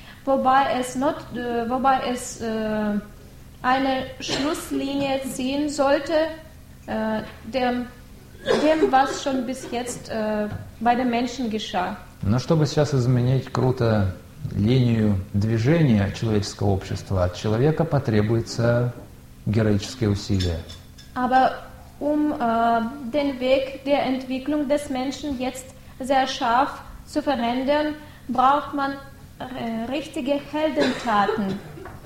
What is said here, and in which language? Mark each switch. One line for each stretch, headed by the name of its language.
German: wobei es not, wobei es eine Schlusslinie ziehen sollte, dem was schon bis jetzt bei den Menschen geschah.
Russian: Но чтобы сейчас изменить круто линию движения человеческого общества, от человека потребуется героические усилия.
German: Aber den Weg der Entwicklung des Menschen jetzt sehr scharf zu verändern, braucht man richtige Heldentaten.